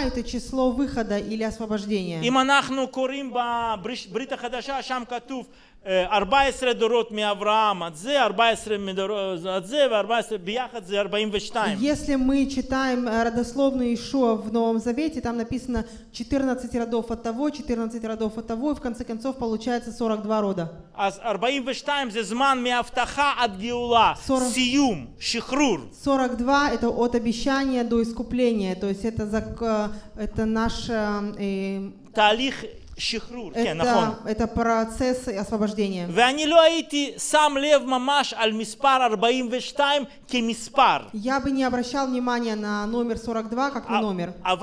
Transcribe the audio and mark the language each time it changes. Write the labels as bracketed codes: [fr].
[ru] — это число выхода или освобождения. [he] Им אנחנו קוראים בברית החדשה, שם כתוב 14 דורות מאברהם, עד זה 14 מדורות, עד זה ו 14, ביחד זה 42. [ru] Если мы читаем родословную Иешуа в Новом Завете, там написано 14 родов от того, 14 родов от того, и в конце концов получается 42 рода. [he] אז 42 זה זמן מהבטחה עד גאולה, סיום, שחרור. [ru] 42 — это от обещания до искупления, то есть это наш... [he] תהליך... [ru] Это процесс освобождения. Я бы не обращал внимания на номер 42, как на номер.